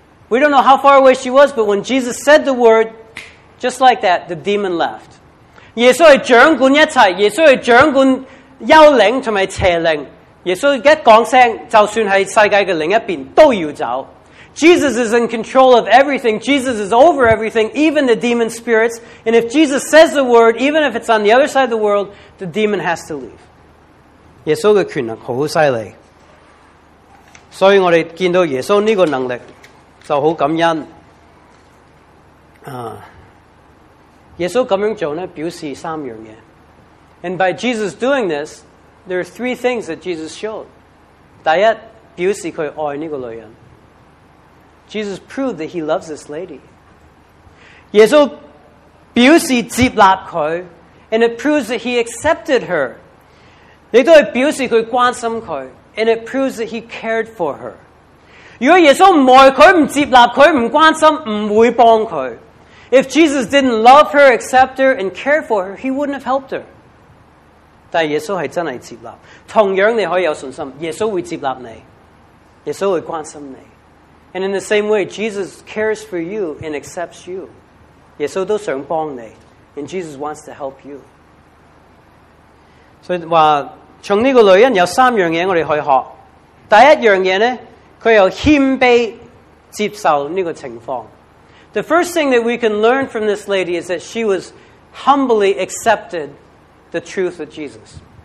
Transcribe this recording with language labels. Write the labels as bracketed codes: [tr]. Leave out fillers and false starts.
[en] We don't know how far away she was, but when Jesus said the word, just like that, the demon left. [zh] 耶稣是掌管一切，耶稣是掌管幽灵和邪灵。耶稣一讲声，就算是世界的另一边都要走。 [en] Jesus is in control of everything. Jesus is over everything, even the demon spirits. And if Jesus says the word, even if it's on the other side of the world, the demon has to leave. [zh] 耶稣的 权能 好犀利。所以我们见到耶稣这个能力 就很感恩。耶稣这样做呢, 表示三样的。 [en] And by Jesus doing this, there are three things that Jesus showed. [zh] 第一, 表示他爱这个女人。 [en] Jesus proved that he loves this lady. [zh] 耶稣表示接纳他, [en] and it proves that he accepted her. [zh] 也表示他关心他, [en] and it proves that he cared for her. [zh] 如果耶稣不爱他, 不接纳他, 不关心, 不会帮他, [en] if Jesus didn't love her, accept her, and care for her, he wouldn't have helped her. [zh] 但耶稣是真的接纳, 同样你可以有信心, 耶稣会接纳你, 耶稣会关心你。 [en] And in the same way, Jesus cares for you and accepts you. [zh] 耶稣都想帮你, [en] and Jesus wants to help you. [zh] 所以说从这个女人有三样东西我们可以学。第一样东西呢，她又谦卑接受这个情况。 [en] The first thing that we can learn from this lady is that she was humbly accepted the truth of Jesus.